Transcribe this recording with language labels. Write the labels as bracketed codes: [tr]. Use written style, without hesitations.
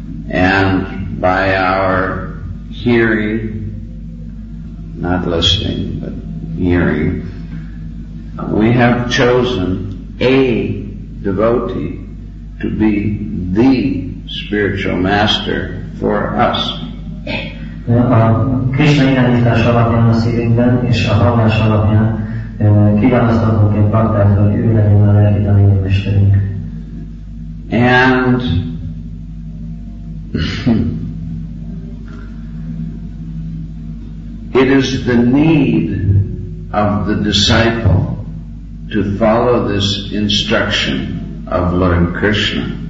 [en] and by our hearing, not listening, but hearing, we have chosen a devotee to be the spiritual master for us. [hu] Krishna irányítás alapján a szívünkben és a hallás alapján kiválasztottunk egy baktát, hogy ő legyen a lelki tanító mesterünk. [en] And it is the need of the disciple to follow this instruction of Lord Krishna.